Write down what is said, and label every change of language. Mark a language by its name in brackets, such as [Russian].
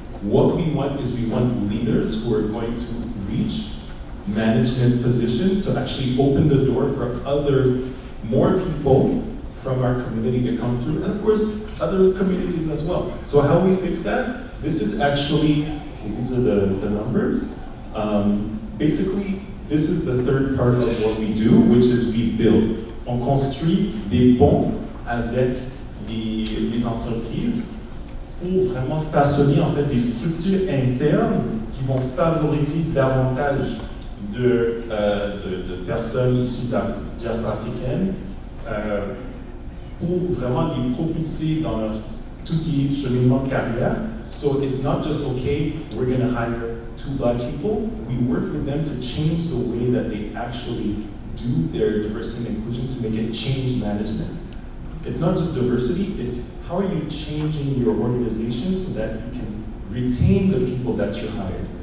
[English] What we want is we want leaders who are going to reach management positions to actually open the door for other, more people from our community to come through, and of course, other communities as well. So how we fix that? This is actually, okay, these are the numbers. Basically, this is the third part of what we do, which is we build. [French] On construit des ponts avec les entreprises pour vraiment façonner en fait des structures internes qui vont favoriser davantage de personnes issues de la diaspora africaine pour vraiment les propulser dans tout ce qui est cheminement de carrière. [English] So it's not just okay, we're going to hire two black people. We work with them to change the way that they actually do their diversity and inclusion to make it change management. It's not just diversity, it's how are you changing your organization so that you can retain the people that you hired.